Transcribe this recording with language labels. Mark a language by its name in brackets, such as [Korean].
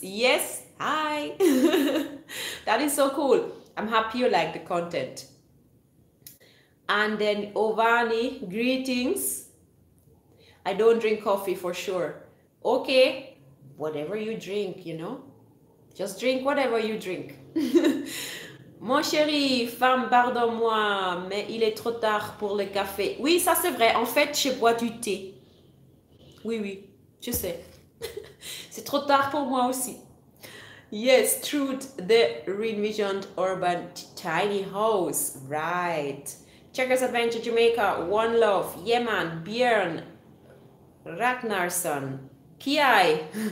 [English] Yes, hi. That is so cool. I'm happy you like the content. And then Ovani, greetings. I don't drink coffee for sure. Okay, whatever you drink, you know, just drink whatever you drink. [French] Mon chéri, femme, pardonne-moi, mais il est trop tard pour le café. Oui, ça c'est vrai. En fait, je bois du thé. Oui, oui, je sais. C'est trop tard pour moi aussi. [English] Yes, truth, the re-envisioned urban tiny house. Right. Checkers Adventure Jamaica, One Love, Yemen, Bjorn, Ragnarsson, Kiai.